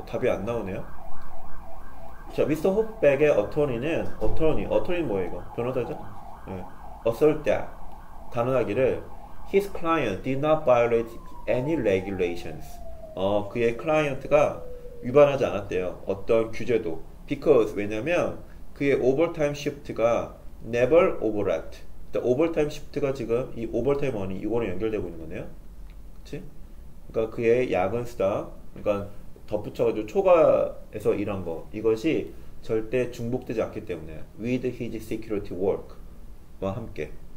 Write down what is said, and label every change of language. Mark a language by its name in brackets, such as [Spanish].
[Korean] 답이 안 나오네요. 자, Mr. Hogback의 attorney 뭐예요 이거? 변호사죠? 네. [English] Assert that, [Korean] 단언하기를, [English] his client did not violate any regulations. [Korean] 그의 클라이언트가 위반하지 않았대요. 어떤 규제도. Because, 왜냐면, 그의 오버타임 시프트가 [English] never overlapped. [Korean] 오버타임 시프트가 지금 이 오버타임 머니, 이거랑 연결되고 있는 거네요. 그치? 그러니까 그의 야근 수당, 그러니까 덧붙여가지고 초과해서 일한 거. 이것이 절대 중복되지 않기 때문에 [English] with his security work. [Korean] 와 함께.